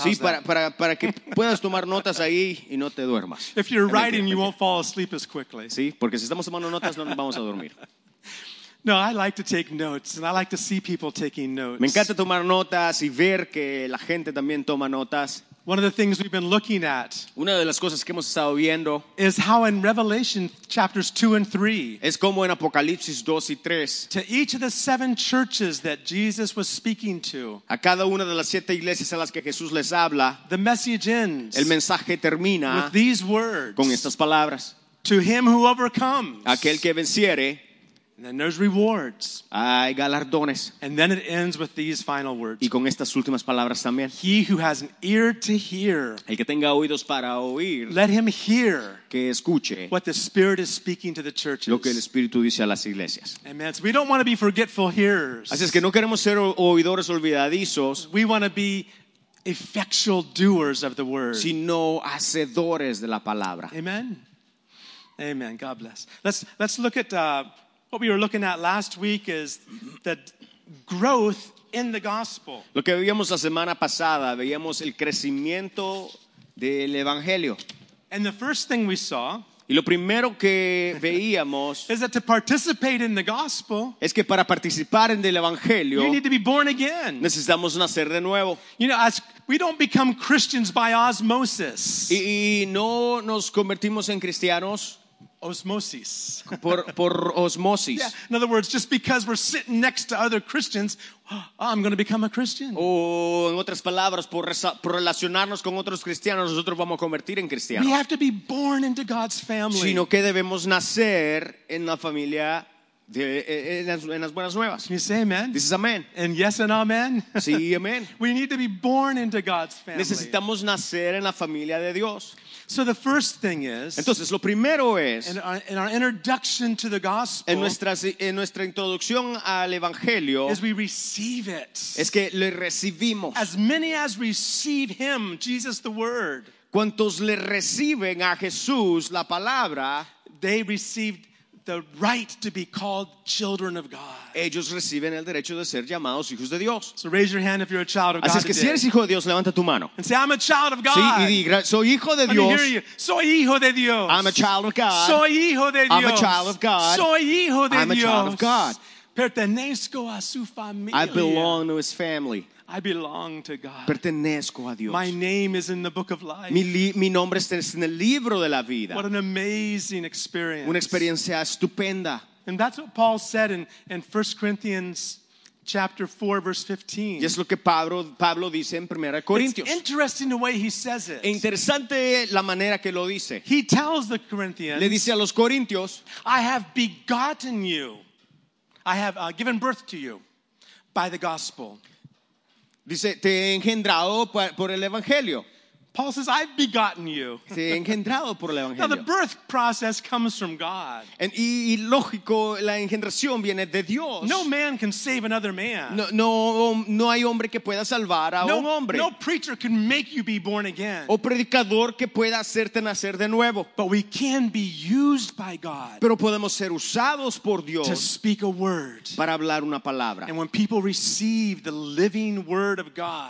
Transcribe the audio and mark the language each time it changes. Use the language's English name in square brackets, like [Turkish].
[Spanish] Sí, para que puedas tomar notas ahí y no te duermas. [English] If you're writing, you won't fall asleep as quickly. [Spanish] Sí, porque si estamos tomando notas, no nos vamos a dormir. [English] No, I like to take notes, and I like to see people taking notes. [Spanish] Me encanta tomar notas y ver que la gente también toma notas. [English] One of the things we've been looking at, [Spanish] una de las cosas que hemos estado viendo, [English] is how in Revelation chapters 2 and 3, [Spanish] es como en Apocalipsis 2 y 3, [English] to each of the seven churches that Jesus was speaking to, [Spanish] a cada una de las siete iglesias a las que Jesús les habla, [English] the message ends, [Spanish] el mensaje termina, [English] with these words, [Spanish] con estas palabras, [English] to him who overcomes, [Spanish] aquel que venciere, [English] and then there's rewards. [Spanish] Hay galardones. [English] And then it ends with these final words. [Spanish] Y con estas últimas palabras también. [English] He who has an ear to hear. [Spanish] El que tenga oídos para oír. [English] Let him hear. [Spanish] Que escuche. [English] What the Spirit is speaking to the churches. [Spanish] Lo que el Espíritu dice a las iglesias. [English] Amen. So we don't want to be forgetful hearers. [Spanish] Así es que no queremos ser oidores olvidadizos. [English] We want to be effectual doers of the word. [Spanish] Sino hacedores de la palabra. [English] Amen. Amen. God bless. Let's look at what we were looking at last week is the growth in the gospel. [Spanish] Lo que veíamos la semana pasada, veíamos el crecimiento del evangelio. [English] And the first thing we saw, [Spanish] y lo primero que veíamos, [English] is that to participate in the gospel, [Spanish] es que para participar en el evangelio, [English] you need to be born again. [Spanish] Necesitamos nacer de nuevo. [English] You know, as we don't become Christians by osmosis. [Spanish] Y no nos convertimos en cristianos. [English] Osmosis. [Spanish] Por osmosis. [English] Yeah. In other words, just because we're sitting next to other Christians, oh, I'm going to become a Christian. [Spanish] O en otras palabras, por relacionarnos con otros cristianos, nosotros vamos a convertir en cristianos. [English] We have to be born into God's family. [Spanish] Sino que debemos nacer en la familia de, en las buenas nuevas. [English] You say amen? This is amen. And yes and amen? [Spanish] Sí, amen. [English] We need to be born into God's family. [Spanish] Necesitamos nacer en la familia de Dios. [English] So the first thing is, [Spanish] entonces, lo primero es, [English] in our introduction to the gospel, [Spanish] en nuestra introducción al evangelio, [English] is we receive it. [Spanish] Es que le recibimos. [English] As many as receive him, Jesus the word. [Spanish] Cuantos le reciben a Jesús la palabra, [English] they received the right to be called children of God. [Spanish] Ellos reciben el derecho de ser llamados hijos de Dios. [English] So raise your hand if you're a child of God. [Spanish] Así es que [English] today. [Spanish] Si eres hijo de Dios, levanta tu mano. [English] And say, I'm a child of God. [Spanish] Sí, y di, soy hijo de Dios. [English] Let me hear you. [Spanish] Soy hijo de Dios. [English] I'm a child of God. [Spanish] Soy hijo de Dios. [English] I'm a child of God. [Spanish] Soy hijo de [English] I'm [Spanish] Dios. [English] I'm a child of God. [Spanish] Pertenezco a su familia. [English] I belong to his family. I belong to God. [Spanish] Pertenezco a Dios. [English] My name is in the book of life. [Spanish] Mi nombre está en el libro de la vida. [English] What an amazing experience. [Spanish] Una experiencia estupenda. [English] And that's what Paul said in 1 Corinthians chapter 4 verse 15. [Spanish] Y es lo que Pablo dice en Primera Corintios. [English] It's interesting the way he says it. [Spanish] Interesante la manera que lo dice. [English] He tells the Corinthians, [Spanish] le dice a los Corintios, [English] I have begotten you. I have given birth to you by the gospel. [Spanish] Dice, te he engendrado por el evangelio. [English] Paul says, I've begotten you. [Spanish] Se ha engendrado por el evangelio. [English] Now the birth process comes from God. [Spanish] Y lógico, la engendración viene de Dios. [English] No man can save another man. [Spanish] No hay hombre que pueda salvar a un hombre. [English] No preacher can make you be born again. [Spanish] O predicador que pueda hacerte nacer de nuevo. [English] But we can be used by God. [Spanish] Pero podemos ser usados por Dios. [English] To speak a word. [Spanish] Para hablar una palabra. [English] And when people receive the living word of God.